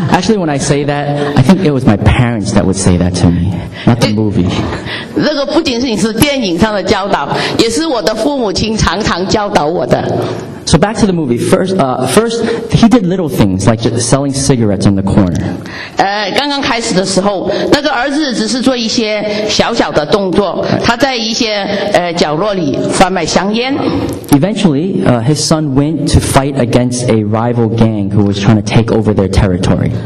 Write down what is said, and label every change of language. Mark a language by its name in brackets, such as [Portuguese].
[English] Actually, when I say that, I think it was my parents that would say that to me, not the movie. [Chinese] 这个不仅仅是电影上的教导，也是我的父母亲常常教导我的。 [English] So back to the movie. First, he did little things like just selling cigarettes in the corner. [Chinese] 刚刚开始的时候，那个儿子只是做一些小小的动作。他在一些角落里贩卖香烟。 [English] Eventually, his son went to fight against a rival gang who was trying to take over their territory.